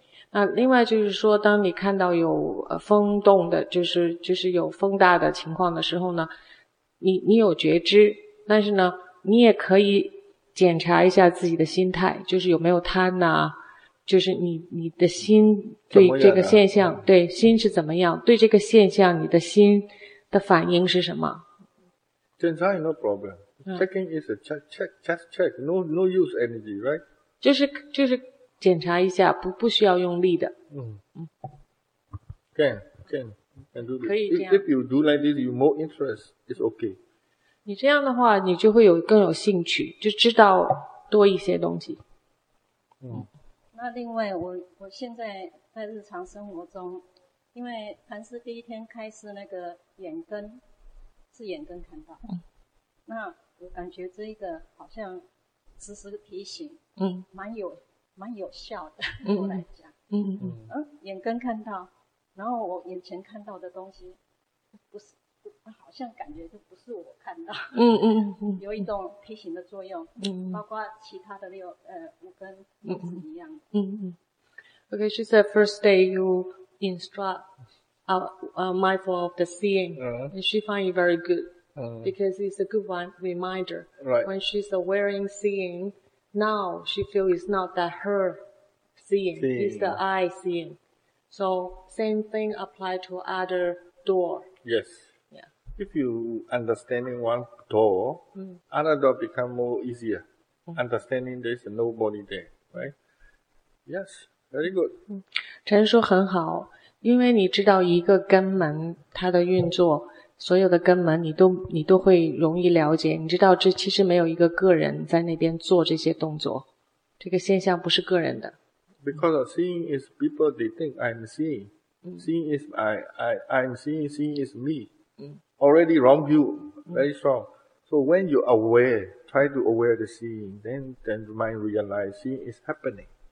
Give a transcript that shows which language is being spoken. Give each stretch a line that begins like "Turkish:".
Chinese: 那另外就是说，当你看到有风动的，就是有风大的情况的时候呢，你有觉知，但是呢，你也可以检查一下自己的心态，就是有没有贪呐、啊，就是你的心对这个现象，对心是怎么样，对这个现象你的心的反应是什么？检查
English: no problem, checking is a check, no use energy, right?
Chinese: 就是。检查一下，不需要用力的。
English: Can do this.
Chinese: 可以这样。
English: If you do like this, you more interest, it's okay.
Chinese: 你这样的话，你就会有更有兴趣，就知道多一些东西。那另外，我现在日常生活中，因为禅师第一天开始那个眼根，是眼根看到。那我感觉这一个好像时时提醒，蛮有效的，对我来讲，眼根看到，然后我眼前看到的东西，不是，好像感觉就不是我看到，有一种提醒的作用，包括其他的五根都是一样的，
English: Okay, she said first day you instruct mindful of the seeing, and she find it very good, because it's a good one reminder, right. When she's awareing seeing. Now she feels it's not that her seeing, it's the eye seeing. So same thing apply to other door. Yes. Yeah. If you understanding one door, other door become more easier. Understanding there's nobody there, right? Yes, very good.
Chinese: 陈说很好，因为你知道一个根门它的运作，所有的根门你都会容易了解，你知道这其实没有一个个人在那边做这些动作，这个现象不是个人的。
English: Because seeing is people, they think I'm seeing. Seeing is I'm seeing, seeing is me. Already wrong view, very strong. So when you aware, try to aware the seeing, then the mind realize seeing is happening.